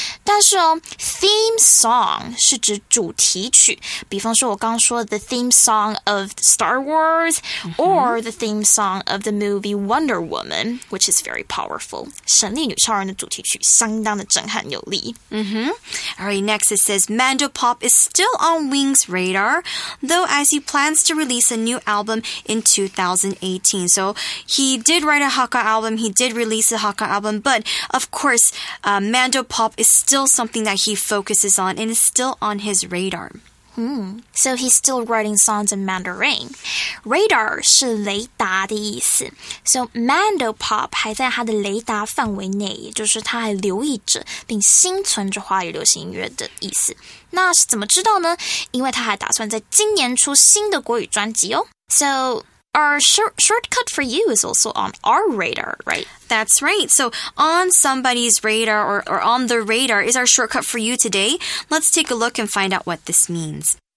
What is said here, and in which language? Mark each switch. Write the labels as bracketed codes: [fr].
[zh] 但是哦 [en] ，theme song 是指主题曲，比方说我刚说 the theme song of Star Wars or the theme song of the movie Wonder Woman, which is very powerful. [zh] 神力女超人的主题曲相当的震撼有力。 [en] All right, next it says, Mandopop is still on Wing's radar, though as he plans to release a new album in 2018. So he did write a Hakka album, he did release a Hakka album, but of course, Mandopop is still something that he focuses on and is still on his radar. So he's still writing songs in Mandarin. Radar [zh] 是雷达的意思。 So Mandopop 还在他的雷达范围内，也就是他还留意着并心存着华语流行音乐的意思。那是怎么知道呢？因为他还打算在今年出新的国语专辑哦。 [en] So our shortcut for you is also on our radar, right? That's right. So on somebody's radar or on the radar is our shortcut for you today. Let's take a look and find out what this means.